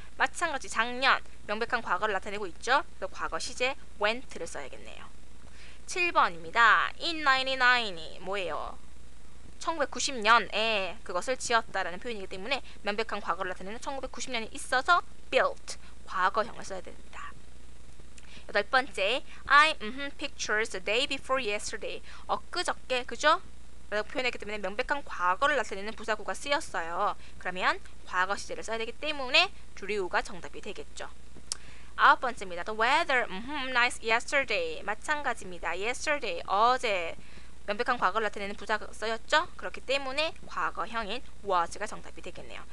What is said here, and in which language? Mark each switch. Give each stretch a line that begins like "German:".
Korean: 마찬가지 작년, 명백한 과거를 나타내고 있죠. 그래서 과거 시제 went를 써야겠네요. 7번입니다. In 99이 뭐예요? 1990년에 그것을 지었다라는 표현이기 때문에 명백한 과거를 나타내는 1990년이 있어서 built, 과거형을 써야 됩니다. 여덟 번째,
English: I pictures the day before yesterday.
Korean: 엊그저께, 그죠? 라고 표현했기 때문에 명백한 과거를 나타내는 부사구가 쓰였어요. 그러면 과거 시제를 써야 되기 때문에 drew가 정답이 되겠죠. 아홉 번째입니다.
English: The weather nice yesterday.
Korean: 마찬가지입니다. Yesterday, 어제. 명백한 과거를 나타내는 부사가 써였죠? 그렇기 때문에 과거형인 was가 정답이 되겠네요.